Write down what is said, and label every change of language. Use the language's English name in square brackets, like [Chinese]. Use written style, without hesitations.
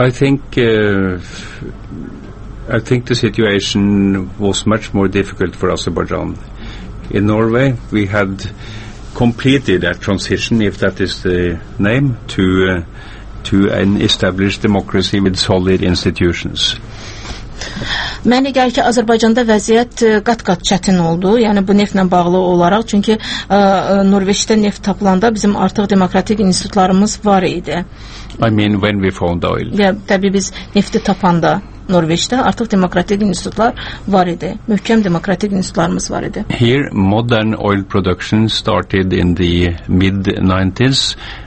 [English] I think the situation was much more difficult for Azerbaijan. In Norway, we had completed that transition, if that is the name, to an established democracy with solid institutions. [Azerbaijani] Mənə gəlir ki, Azərbaycanda vəziyyət qat-qat çətin oldu, yəni bu neftlə bağlı olaraq, çünki Norveçdə neft tapılanda bizim artıq demokratik institutlarımız var idi. [English] I mean, when we found oil. [Azerbaijani] Təbii, biz nefti tapanda Norveçdə artıq demokratik institutlar var idi, möhkəm demokratik institutlarımız var idi. [English] Here, modern oil production started in the mid-90s.